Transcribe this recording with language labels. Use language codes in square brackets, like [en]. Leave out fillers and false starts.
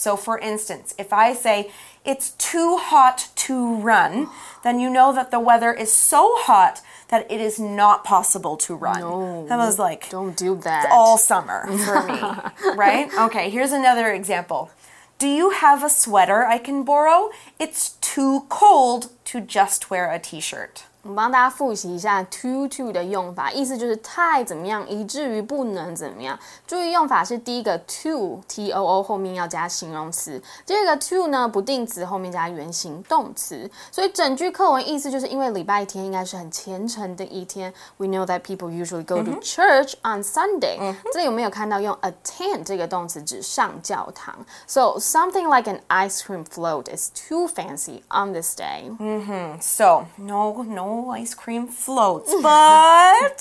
[en] So for instance, if I say, it's too hot to run, then you know that the weather is so hot that it is not possible to run. No, that was like, don't do that. It's all summer for me, right? Okay, here's another example. Do you have a sweater I can borrow? It's too cold to just wear a t-shirt. [zh] 我帮大家复习一下 too 的用法，意思就是太怎么样，以至于不能怎么样。注意用法是第一个 too, T-O-O 后面要加形容词，第二个 too 呢不定词后面加原形动词。所以整句课文意思就是因为礼拜天应该是很虔诚的一天。 [en] We know that people usually go to church on Sunday. [zh] 这里有没有看到用 attend 这个动词指上教堂。 [en] So something like an ice cream float is too fancy on this day. So no ice cream floats, but